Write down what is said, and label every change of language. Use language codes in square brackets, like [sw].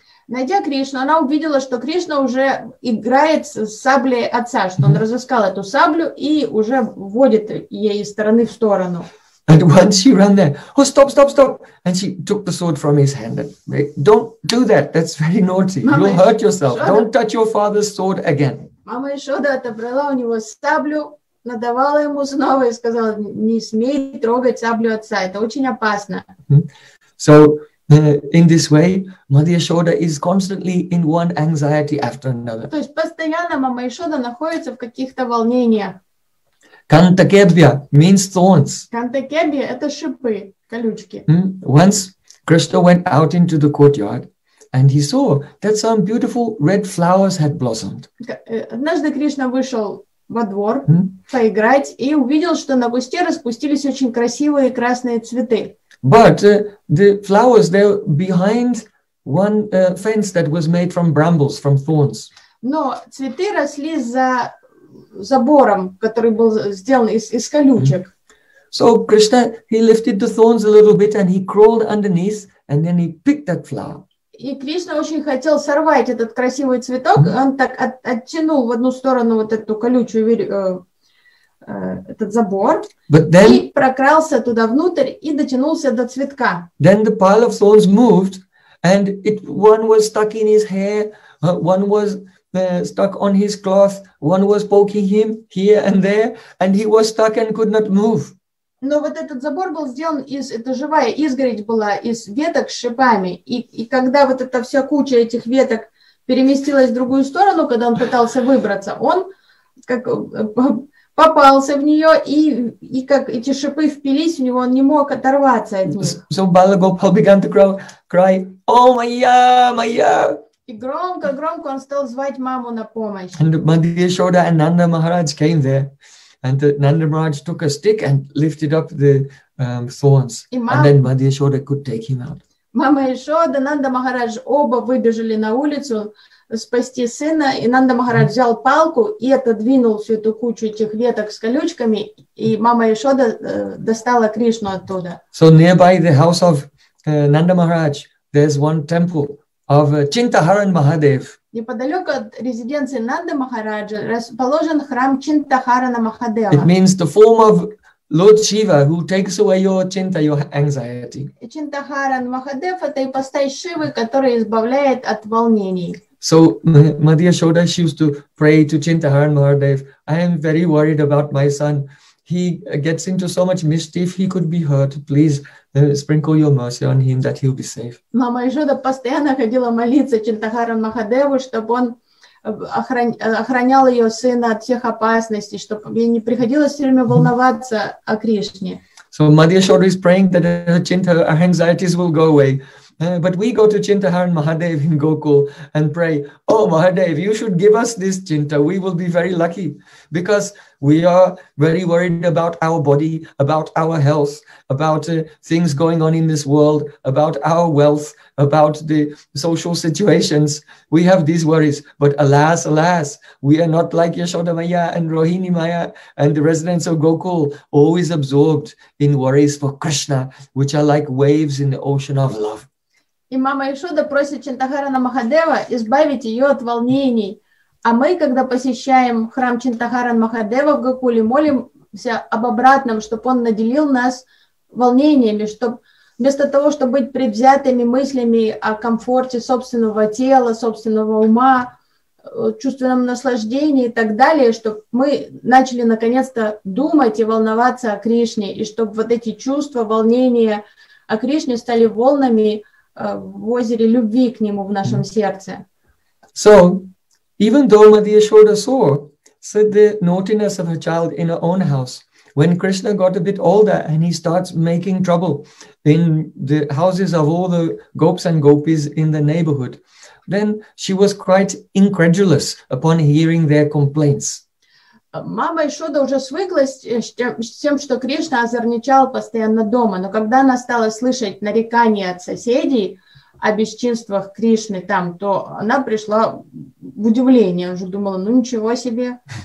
[ru] Найдя Кришну, она увидела, что Кришна уже играет с саблей отца, что он разыскал эту саблю и уже вводит ей из стороны в сторону. [en] And once she ran there, oh, stop, stop, stop. And she took the sword from his hand. Don't do that. That's very naughty. You'll hurt yourself. Don't touch your father's sword again. [ru] Мама Яшода отобрала у него саблю, надавала ему снова и сказала, не смей трогать саблю отца. Это очень опасно. [en] So, in this way, Mother Yashoda is constantly in one anxiety after another. [ru] То есть постоянно мама Яшода находится в каких-то волнениях. [en] Кантакебья means thorns. [ru] Кантакебья – это шипы, колючки. [en] Once Krishna went out into the courtyard, and he saw that some beautiful red flowers had blossomed. [ru] Однажды Кришна вышел во двор поиграть и увидел, что на кусте распустились очень красивые красные цветы. [en] But the flowers, they're behind one fence that was made from brambles, from thorns. [ru] Но цветы росли за забором, который был сделан из колючек. [en] So Krishna, he lifted the thorns a little bit and he crawled underneath and then he picked that flower. [ru] И Кришна очень хотел сорвать этот красивый цветок, он так оттянул в одну сторону вот эту колючую этот забор, [en] then, [ru] и прокрался туда внутрь и дотянулся до цветка. [en] Then the pile of thorns moved, and it one was stuck in his hair, one was stuck on his cloth, one was poking him here and there, and he was stuck and could not move. [ru] Но вот этот забор был сделан из, это живая изгородь была из веток с шипами, и когда вот эта вся куча этих веток переместилась в другую сторону, когда он пытался выбраться, он как попался в нее, и как эти шипы впились в него, он не мог оторваться от них. [en] So Balagopal began to cry, oh, Maya, Maya! [ru] И громко-громко он стал звать маму на помощь. [en] And Madhya Yashoda and Nanda Maharaj came there. And Nanda Maharaj took a stick and lifted up the thorns. And then Madhya Yashoda could take him out. [ru] Мама Яшода, Нанда Махарадж оба выбежали на улицу спасти сына. И Нанда Махарадж взял палку и отодвинул всю эту кучу этих веток с колючками. И мама Яшода достала Кришну оттуда. [en] So nearby the house of Nanda Maharaj, there's one temple of Chintaharan Mahadev. [ru] Неподалеку от резиденции Нанды Махараджа расположен храм Чинтахарана Махадева. [en] It means the form of Lord Shiva who takes away your chinta, your anxiety. [ru] Чинтахаран Махадев — это ипостась Шивы, который избавляет от волнений. [en] So Madhya Yashoda, she used to pray to Чинтахаран Махадев. I am very worried about my son. He gets into so much mischief, he could be hurt. Please sprinkle your mercy on him that he'll be safe. [ru] Мама Яшода постоянно ходила молиться Чинтахарану Махадеву, чтобы он охранял ее сына от всех опасностей, чтобы ей не приходилось все время волноваться о Кришне. [en] So Madhya Yashoda is praying that her anxieties will go away. But we go to Chintaharan Mahadev in Gokul and pray, oh, Mahadev, you should give us this chinta. We will be very lucky because we are very worried about our body, about our health, about things going on in this world, about our wealth, about the social situations. We have these worries. But alas, alas, we are not like Yashoda Maya and Rohini Maya and the residents of Gokul, always absorbed in worries for Krishna, which are like waves in the ocean of love. [ru] И мама Яшода просит Чинтахарана Махадева избавить ее от волнений. А мы, когда посещаем храм Чинтахарана Махадева в Гокуле, молимся об обратном, чтобы он наделил нас волнениями, чтобы вместо того, чтобы быть предвзятыми мыслями о комфорте собственного тела, собственного ума, чувственном наслаждении и так далее, чтобы мы начали наконец-то думать и волноваться о Кришне, и чтобы вот эти чувства, волнения о Кришне стали волнами в озере любви к нему в нашем сердце. [en] So, even though Madhya Yashoda said the naughtiness of her child in her own house, when Krishna got a bit older and he starts making trouble in the houses of all the gopis and gopis in the neighborhood, then she was quite incredulous upon hearing their complaints. [ru] Мама Яшода уже свыклась с тем, что Кришна озорничал постоянно дома, но когда она стала слышать нарекания от соседей о бесчинствах Кришны там, то она пришла в удивление, уже думала, ну ничего себе.